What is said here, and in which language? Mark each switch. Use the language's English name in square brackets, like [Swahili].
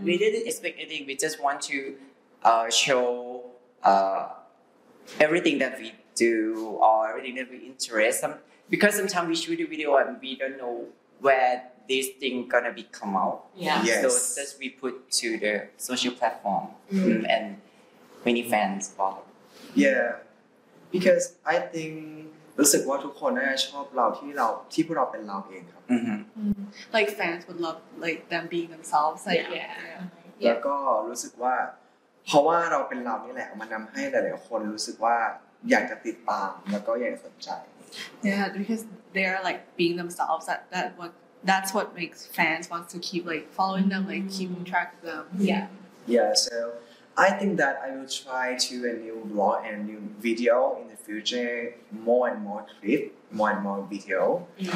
[English] we didn't expect anything we just want to show everything that we do or everything that we interest some because sometimes we shoot a video and we don't know where this thing gonna be come out yes. So just we put to the social platform and many fans follow yeah because I think [Thai] รู้สึกว่าทุกคนน่าจะชอบเราที่เราที่พวกเราเป็นเราเองครับ [English] like fans would love like them being themselves like yeah [Thai] แล้วก็รู้สึกว่าเพราะว่าเราเป็นเรานี่แหละมันนําให้หลายๆคนรู้สึกว่าอยากจะติดตามแล้วก็อยากสนใจ [English] yeah because they are like being themselves that's what makes fans want to keep like following them like keeping track of them yeah so I think that I will try to a new vlog and a new video in the future, more and more clip, more and more video.